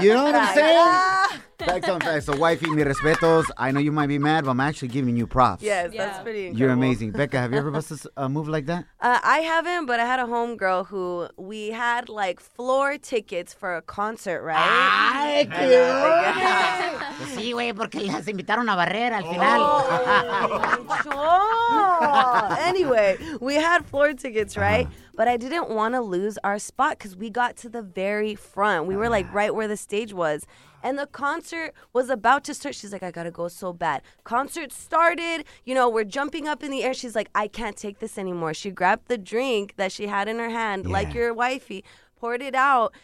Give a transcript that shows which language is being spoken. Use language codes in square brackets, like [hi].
[en] You know what I'm saying? Facts on facts. So, wifey, [es] mi respetos. [en] I know you might be mad, but I'm actually giving you props. Yes, yeah. That's pretty incredible. You're amazing. Becca, have you ever busted a move like that? I haven't, but I had a homegirl who we had, like, floor tickets for a concert, right? [es] Ay, qué hombre. Sí, güey, porque las invitaron a barrer al final. [en] Anyway, we had floor tickets, right? But I didn't want to lose our spot because we got to the very front. We were, like, right where the stage was. And the concert was about to start. She's like, I gotta go so bad. Concert started. You know, we're jumping up in the air. She's like, I can't take this anymore. She grabbed the drink that she had in her hand, like your wifey, poured it out.